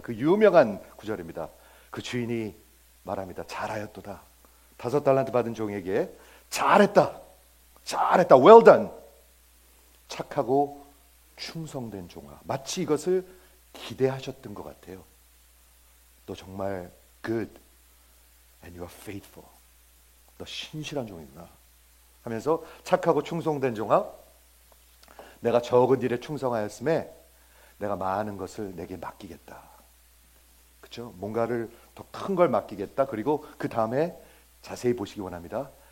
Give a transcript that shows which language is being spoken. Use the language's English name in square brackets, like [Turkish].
[Korean] 그 유명한 구절입니다. 그 주인이 말합니다. 잘하였도다. 다섯 달란트 받은 종에게 잘했다. 잘했다. [English] Well done. [Korean] 착하고 충성된 종아. 마치 이것을 기대하셨던 것 같아요. 너 정말 [English] good and you are faithful. [Korean] 너 신실한 종이구나. 하면서 착하고 충성된 종아. 내가 적은 일에 충성하였음에 내가 많은 것을 내게 맡기겠다. 그렇죠? 뭔가를 더 큰 걸 맡기겠다. 그리고 그 다음에 자세히 보시기 원합니다.